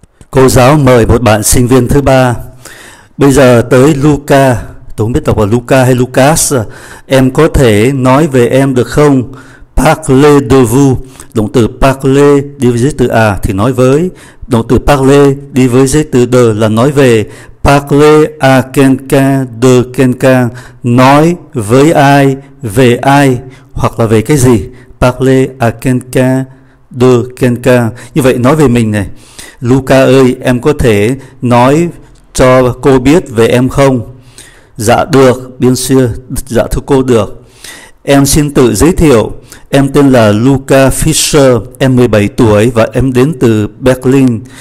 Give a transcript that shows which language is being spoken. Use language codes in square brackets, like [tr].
[vi] Cô giáo mời một bạn sinh viên thứ ba. Bây giờ tới Luca. Tôi không biết đọc là Luca hay Lucas. Em có thể nói về em được không? [fr] Parlez de vous. [vi] Động từ parler đi với giấy từ à thì nói với. Động từ parler đi với giấy từ de là nói về. [fr] Parler à quelqu'un de quelqu'un. [vi] Nói với ai, về ai hoặc là về cái gì. [fr] Parler à quelqu'un de quelqu'un. [vi] Như vậy nói về mình này. Luca ơi, em có thể nói cho cô biết về em không? Dạ được, [fr] bien sûr. [vi] Dạ thưa cô được. Em xin tự giới thiệu. Em tên là Luca Fischer, em 17 tuổi và em đến từ Berlin.